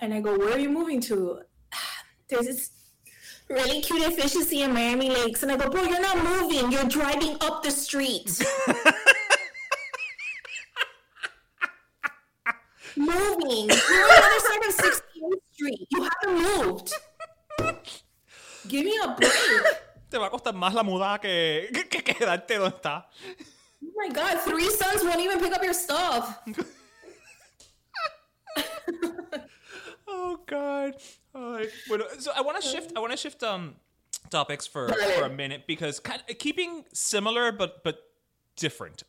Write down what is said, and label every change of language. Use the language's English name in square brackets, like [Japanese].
[English] And I go, where are you moving to? There's this really cute efficiency in Miami Lakes. And I go, bro, you're not moving. You're driving up the street. Moving. You're on the other side of 16th. You haven't moved. Give me a break. [Spanish] Te va a costar más la mudada que quedarte donde está. [English] Oh my God, three sons won't even pick up your stuff. Oh God. All right. [Spanish] Bueno, [English] so I want to shift topics for a minute because keeping similar but different.